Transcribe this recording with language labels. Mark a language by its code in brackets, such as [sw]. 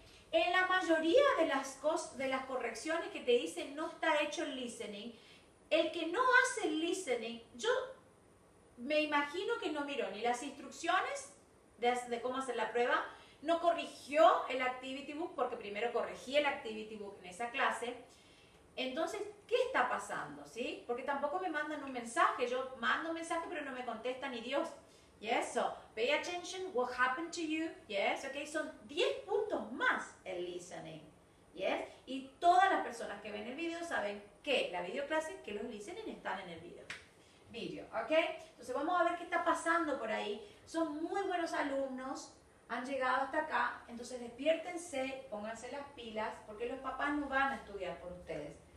[es] En la mayoría de las correcciones que te dicen no está hecho el listening, el que no hace el listening, yo me imagino que no miró ni las instrucciones de cómo hacer la prueba, no corrigió el activity book, porque primero corregí el activity book en esa clase. Entonces, ¿qué está pasando? ¿Sí? Porque tampoco me mandan un mensaje. Yo mando un mensaje, pero no me contesta ni Dios. [en] Yes, so, pay attention, what happened to you? [es] Yes, okay, son 10 puntos más el listening. Yes, y todas las personas que ven el video saben que la videoclase, que los listening están en el video. Video, ok. Entonces, vamos a ver qué está pasando por ahí. Son muy buenos alumnos. Han llegado hasta acá, entonces despiértense, pónganse las pilas, porque los papás no van a estudiar por ustedes.